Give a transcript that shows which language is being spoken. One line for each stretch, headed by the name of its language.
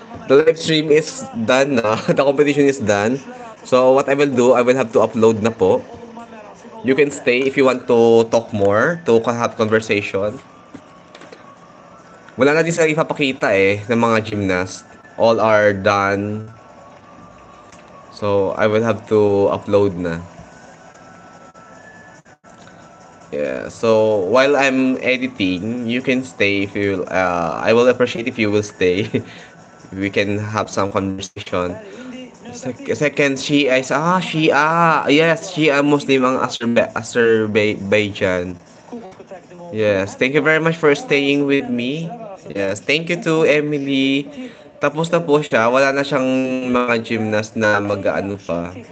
English: The live stream is done, the competition is done. So what I will do, I will have to upload
Filipino: na po.
English: You can stay if you want to talk more, to have conversation.
Filipino: Wala na din sa ipapakita eh, ng mga gymnast.
English: All are done. So I will have to upload
Filipino: na.
English: So while I'm editing, you can stay if you I will appreciate if you will stay. We can have some conversation. Second, she is a Muslim
Filipino: ang
English: Azerbaijan. Yes, thank you very much for staying with me. Yes, thank you to Emily.
Filipino: Tapos na po siya, wala na siyang mga gymnast na mag-ano pa.